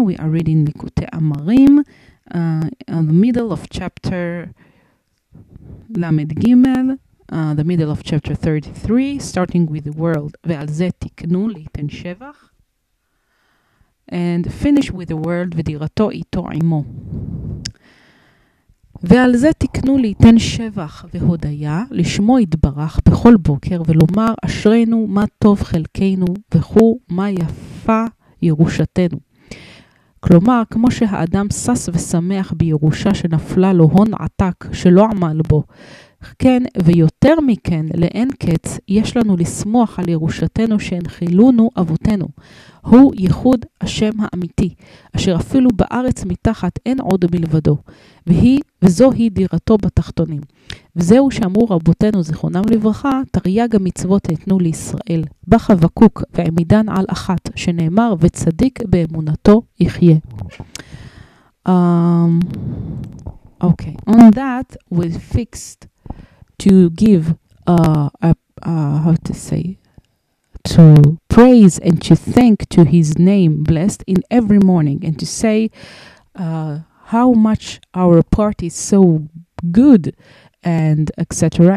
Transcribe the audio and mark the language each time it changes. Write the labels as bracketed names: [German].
[English] We are reading Likutei Amarim in the middle of chapter Lamed Gimel, the middle of chapter 33, starting with the word [Hebrew] Ve'al ze tiknu liten shevach. [English] And finish with the word [Hebrew] ודירתו איתו עמו. ועל זה תקנו להיתן שבח והודיה, לשמו יתברך בכל בוקר ולומר אשרינו מה טוב חלקנו וכו מה יפה ירושתנו. כלומר, כמו שהאדם סס ושמח בירושה שנפלה לו הון עתק שלא עמל בו, כן, ויותר מכן, לאין קץ, יש לנו לשמוח על ירושתנו שהנחילונו אבותינו. הוא ייחוד השם האמיתי, אשר אפילו בארץ מתחת אין עוד מלבדו, וזוהי דירתו בתחתונים. וזהו שאמרו רבותינו זכרונם לברכה, תרי"ג המצוות ניתנו לישראל, בה חבקוק ועמידן על אחת, שנאמר וצדיק באמונתו יחיה. [English] Okay, on that we fixed to give to praise and to thank to his name blessed in every morning and to say how much our part is so good and etc.